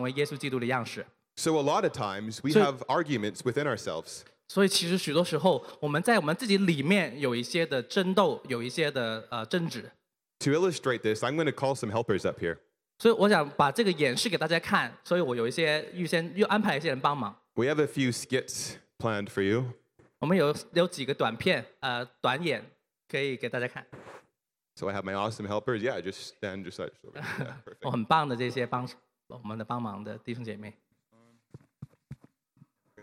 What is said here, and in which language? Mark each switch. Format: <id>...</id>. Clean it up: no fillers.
<zh>但是在我们里面却有一些部分并没有完全转化成为耶稣基督的样式。</zh> <en>So a lot of times we have arguments within ourselves.</en> <zh>所以其实许多时候我们在我们自己里面有一些的争斗，有一些的争执。</zh> <en>To illustrate this, I'm going to call some helpers up here.</en> <zh>所以我想把这个演示给大家看，所以我有一些预先又安排一些人帮忙。</zh> <en>We have a few skits planned for you.</en> <zh>我们有几个短片，短演可以给大家看。</zh> <en>So I have my awesome helpers. Yeah, just stand just such.</en> <zh>我很棒的这些帮我们的帮忙的弟兄姐妹。</zh> <en>I'm</en>